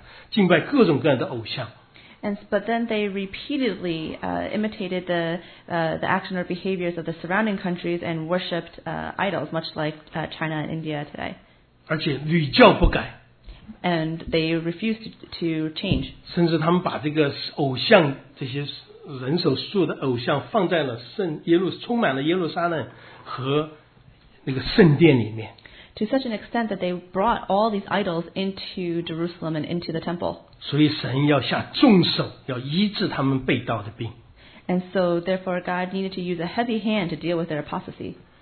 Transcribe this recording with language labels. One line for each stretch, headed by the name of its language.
Chinese: 却一而再，再而三受邻国的引诱，去敬拜各种各样的偶像，就像我们今天中国一样的，台湾也很多，印度更多，对吧？敬拜各种各样的偶像。
English: But then they repeatedly imitated the action or behaviors of the surrounding countries and worshipped idols, much like China and India today.
Chinese: 而且屡教不改。And
English: they refused to change.
Chinese: 甚至他们把这个偶像，这些人手塑的偶像，放在了充满了耶路撒冷和那个圣殿里面。
English: To such an extent that they brought all these idols into Jerusalem and into the temple.
Chinese: 所以神要下重手，要医治他们被盗的病。And
English: so therefore God needed to use a heavy hand to deal with their apostasy.